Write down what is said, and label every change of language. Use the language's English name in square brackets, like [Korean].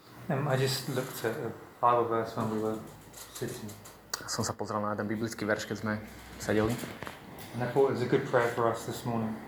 [English] I just looked at a Bible verse when we were sitting. [Slovak] Som sa pozrel na jeden biblický verš, keď sme sedeli. [English] And I thought it was a good prayer for us this morning.